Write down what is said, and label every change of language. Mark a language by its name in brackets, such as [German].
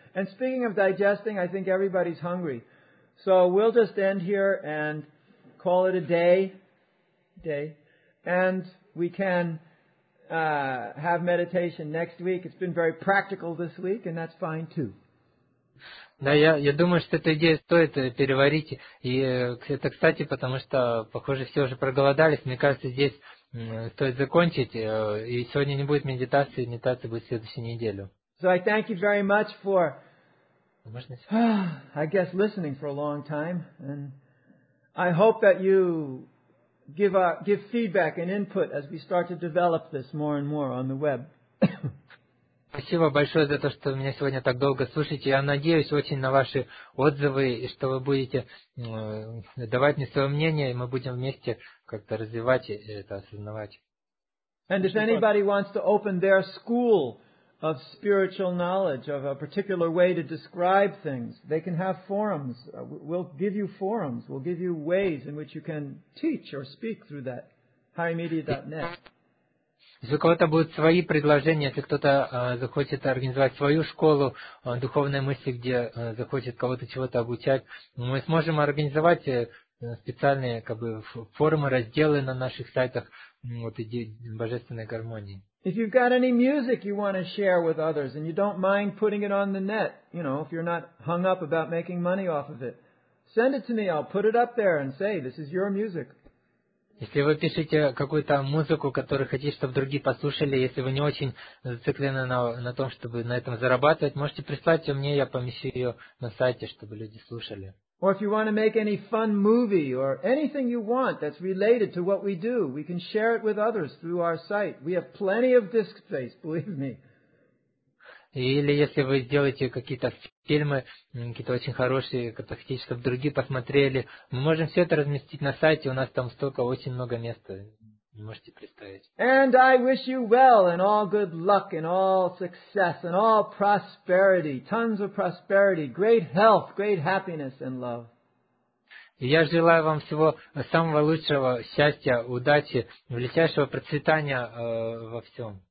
[English] And speaking of digesting, I think everybody's hungry. So we'll just end here and call it a day. Day, and we can have meditation next week. It's been very practical this week, and that's fine too. [Russian] Да, я думаю, что эту идею стоит переварить. И это, кстати, потому что похоже, все уже проголодались. Мне кажется, здесь стоит закончить. И сегодня не будет медитации, медитация будет следующую неделю. [English] So I thank you very much for, [Russian] можно... [English] I guess, listening for a long time, and I hope that you give feedback and input as we start to develop this more and more on the web. [Russian] Спасибо большое за то, что меня сегодня так долго слушаете. Я надеюсь очень на ваши отзывы и что вы будете давать мне свое мнение, и мы будем вместе как-то развивать это, осознавать. [English] And if anybody wants to open their school of spiritual knowledge, of a particular way to describe things, they can have forums. We'll give you forums. We'll give you ways in which you can teach or speak through that. HiMedia.net. [Russian] Если у кого-то будут свои предложения, если кто-то захочет организовать свою школу духовной мысли, где захочет кого-то чего-то обучать, мы сможем организовать специальные как бы форумы, разделы на наших сайтах вот идеи божественной гармонии. [English] If you've got any music you want to share with others and you don't mind putting it on the net, you know, if you're not hung up about making money off of it, send it to me. I'll put it up there and say, this is your music. [Russian] Если вы пишете какую-то музыку, которую хотите, чтобы другие послушали, если вы не очень зациклены на том, чтобы на этом зарабатывать, можете прислать ее мне, я помещу ее на сайте, чтобы люди слушали. [English] Or if you want to make any fun movie or anything you want that's related to what we do, we can share it with others through our site. We have plenty of disk space, believe me. [Russian] Или если вы сделаете какие-то фильмы, какие-то очень хорошие, которые, чтобы другие посмотрели, мы можем все это разместить на сайте, у нас там столько, очень много места, не можете представить. [English] And I wish you well and all good luck and all success and all prosperity, tons of prosperity, great health, great happiness and love. [Russian] Я желаю вам всего самого лучшего, счастья, удачи, величайшего процветания во всем.